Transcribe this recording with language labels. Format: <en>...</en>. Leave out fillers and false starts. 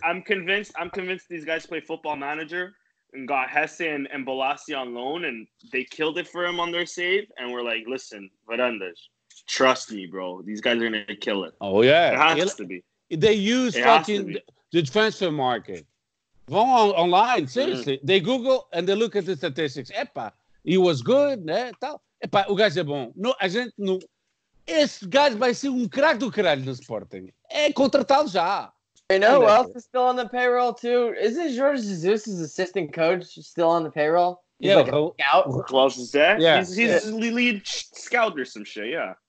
<en>I'm convinced these guys play Football Manager and got Hesse and Balassi on loan, and they killed it for him on their save. And we're like, listen, Varandas, trust me, bro. These guys are going to kill it. Oh, yeah. It has to be. They use fucking the transfer market. Online, seriously. Mm-hmm. They Google and they look at the statistics.</en> <pt>Epa,</pt> <en>he was good,</en> <pt>né? Tal. Epa, o gajo é bom. No, a gente não... Esse gajo vai ser craque do caralho no Sporting. É contratado já.</pt> <en>You know who else is still on the payroll, too? Isn't Jorge Jesus' assistant coach still on the payroll? He's the lead scout or some shit, yeah.</en>